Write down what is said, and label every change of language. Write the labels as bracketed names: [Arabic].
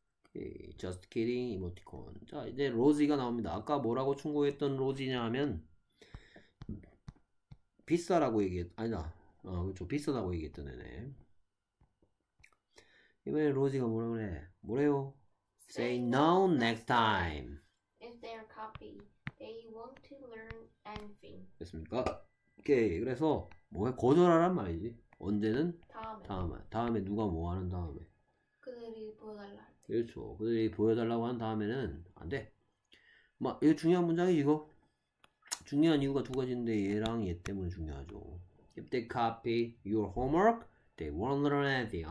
[English] Okay, just kidding, 이모티콘. [Korean] 자, 이제 로지가 나옵니다. 아까 뭐라고 충고했던 로지냐면 비싸라고 얘기했, 아니다. 어, 그렇죠. 비싸다고 얘기했던 애네. 이번에 로지가 뭐라 그래? 뭐래요? [English] Say no next time. If they're copy, they want to learn anything. [Korean] 됐습니까? 오케이. 그래서 뭐에 거절하란 말이지. 언제는? 다음에. 다음에 누가 뭐 하는 다음에? 그들이 보여달라. 그렇죠. 그들이 보여달라고 한 다음에는 안 돼. 막 이거 중요한 문장이 이거. 중요한 이유가 두 가지인데 얘랑 얘 때문에 중요하죠. [English] If they copy your homework, they won't learn anything.